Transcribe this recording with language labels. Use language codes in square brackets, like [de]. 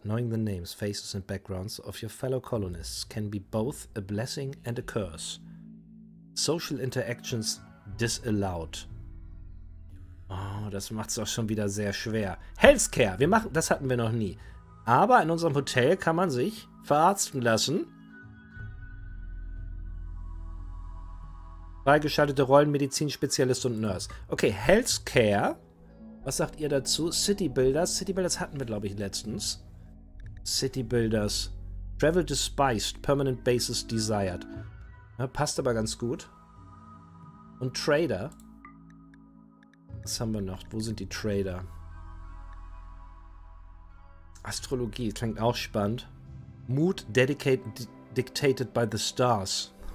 [en] Knowing the names, faces and backgrounds of your fellow colonists can be both a blessing and a curse. Social interactions disallowed. [de] Oh, das macht es auch schon wieder sehr schwer. Healthcare. Wir machen, das hatten wir noch nie. Aber in unserem Hotel kann man sich verarzten lassen. Freigeschaltete Rollen, Medizin, Spezialist und Nurse. Okay, Healthcare. Was sagt ihr dazu? City Builders. City Builders hatten wir, glaube ich, letztens. [en] City Builders. Travel despised. Permanent bases desired. [de] Ja, passt aber ganz gut. Und Trader. Was haben wir noch? Wo sind die Trader? Astrologie. Klingt auch spannend. [en] Mood dictated by the stars.